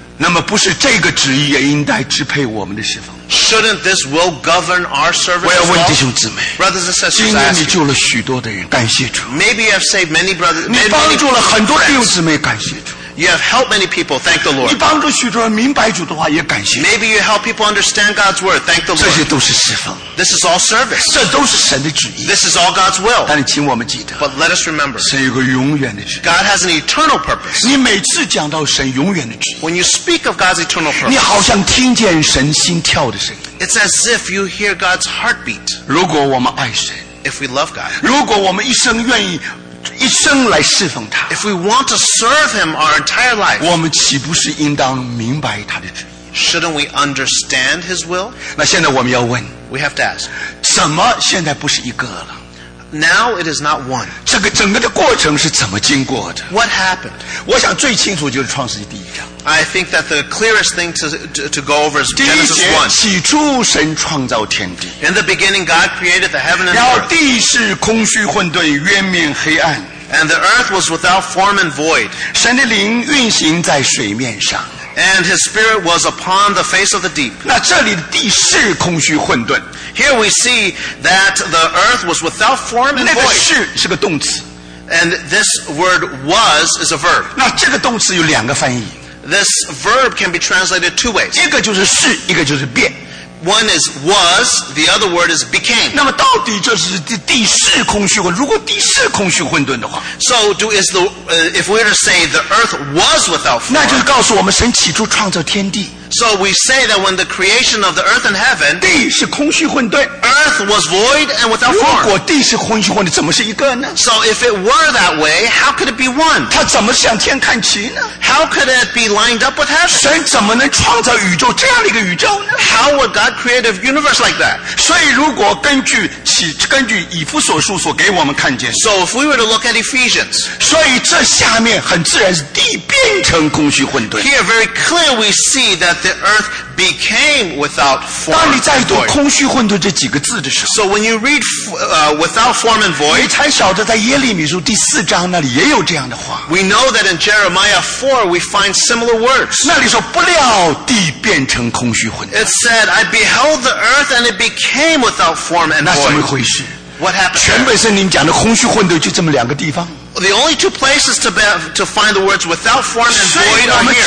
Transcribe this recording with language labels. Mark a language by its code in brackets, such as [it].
[zh] 那么不是这个旨意也应该支配我们的侍奉。 [en] Shouldn't this will govern our service? [zh] 我要问弟兄姊妹， [en] brothers and sisters, [zh] 今天你救了许多的人，感谢主。 [en] Maybe you have saved many brothers. [zh] 你帮助了很多弟兄姊妹，感谢主。 [en] You have helped many people. Thank the Lord. [zh] 你帮助许多人明白主的话，也感谢。 [en] Maybe you help people understand God's word. Thank the Lord. [zh] 这些都是侍奉。 [en] This is all service. [zh] 这都是神的旨意。 [en] This is all God's will. [zh] 但请我们记得。 [en] But let us remember. [zh] 神有个永远的旨意。 [en] God has an eternal purpose. [zh] 你每次讲到神永远的旨意。 [en] When you speak of God's eternal purpose. [zh] 你好像听见神心跳的声音。 [en] It's as if you hear God's heartbeat. [zh] 如果我们爱神。 [en] If we love God. [zh] 如果我们一生愿意。一生来侍奉他。 [en] If we want to serve him our entire life, [zh] 我们岂不是应当明白他的旨意？ [en] Shouldn't we understand his will? [zh] 那现在我们要问， [en] we have to ask, [zh] 怎么现在不是一个了？ [en] Now it is not one. [zh] 这个整个的过程是怎么经过的？ [en] What happened? [zh] 我想最清楚就是创世纪第一章。 [en] I think that the clearest thing to go over is Genesis 1. [zh] 起初神创造天地。 [en] In the beginning, God created the heaven and the earth. [zh] 然后地是空虚混沌，渊面黑暗。 [en] And the earth was without form and void. [zh] 神的灵运行在水面上。 [en] And his spirit was upon the face of the deep. [zh] 那这里的地是空虚混沌。 [en] Here we see that the earth was without form and void. [zh] 那个是，是个动词。 [en] And this word was is a verb. [zh] 那这个动词有两个翻译。 [en] This verb can be translated two ways. [zh] 一个就是是，一个就是变。 [en] One is was, the other word is became. [zh] 那么到底这是地是空虚混？如果地是空虚混沌的话 [en] ，So do is the、if we were to say the earth was without form. [zh] 那就是告诉我们神起初创造天地。 [en] So we say that when the creation of the earth and heaven, [zh] 地是空虚混沌。 [en] Earth was void and without form. [zh] 如果地是空虚混沌，怎么是一个呢 [en] ？So if it were that way, how could it be one? [zh] 它怎么向天看齐呢 [en] ？How could it be lined up with heaven? [zh] 神怎么能创造宇宙这样的一个宇宙呢 [en] ？How would God create a universe like that? [zh] 所以如果根据以弗所书所给我们看见 [en] ，So if we were to look at Ephesians, [zh] 所以这下面很自然是地变成空虚混沌。 [en] Here, very clear, we see that. The earth became without form. [zh] 当你再读“空虚混沌”这几个字的时候 [en] ，So when you read without form and void, [zh] 你才晓得在耶利米书第四章那里也有这样的话。 [en] We know that in Jeremiah 4 we find similar words. [zh] 那里说不料地变成空虚混沌。 [en] It said, "I beheld the earth and it became without form and void." [zh] 那怎么回事 [en] ？What happened? [zh] 全本圣经讲的空虚混沌就这么两个地方。 [en] the only two places to find the words without form and void are here.